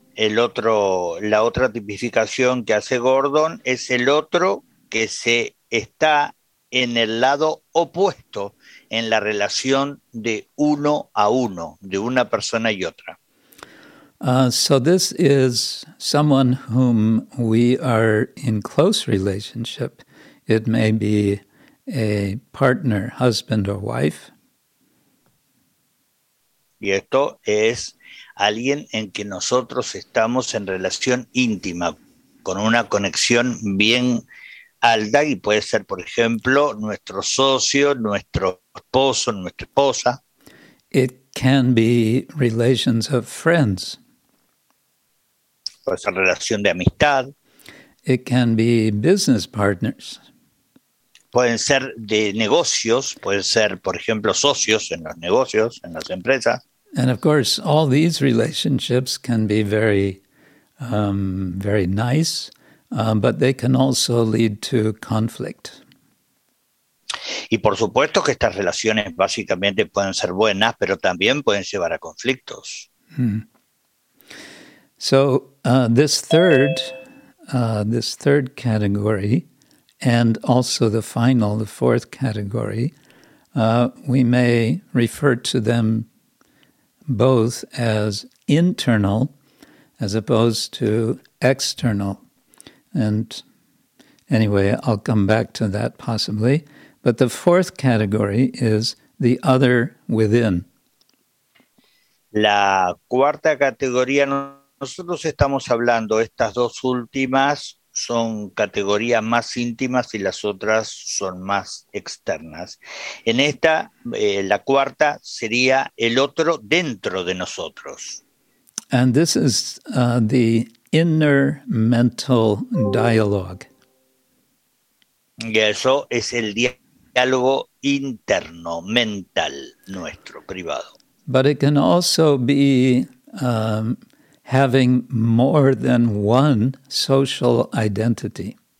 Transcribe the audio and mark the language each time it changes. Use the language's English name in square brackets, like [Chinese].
[Spanish] La otra tipificación que hace Gordon es el otro que se está en el lado opuesto en la relación de uno a uno, de una persona y otra. [English] So this is someone whom we are in close relationship. It may be a partner, husband or wife. [Spanish] Y esto es alguien en que nosotros estamos en relación íntima, con una conexión bien alta, y puede ser, por ejemplo, nuestro socio, nuestro esposo, nuestra esposa. [English] It can be relations of friends. [Spanish] Puede ser relación de amistad. [English] It can be business partners. [Spanish] Pueden ser de negocios, pueden ser, por ejemplo, socios en los negocios, en las empresas. [English] And of course, all these relationships can be very, very nice, but they can also lead to conflict. [Spanish] Y por supuesto que estas relaciones básicamente pueden ser buenas, pero también pueden llevar a conflictos. [English] So this third category, and also the fourth category, we may refer to them both as internal as opposed to external. And anyway, I'll come back to that possibly. But the fourth category is the other within. [Spanish] La cuarta categoría, nosotros estamos hablando, estas dos últimas son categorías más íntimas y las otras son más externas. En esta, la cuarta sería el otro dentro de nosotros. [English] And this is the inner mental dialogue. [Spanish] Y eso es el diálogo interno, mental, nuestro, privado. [English] But it can also be having more than one social identity.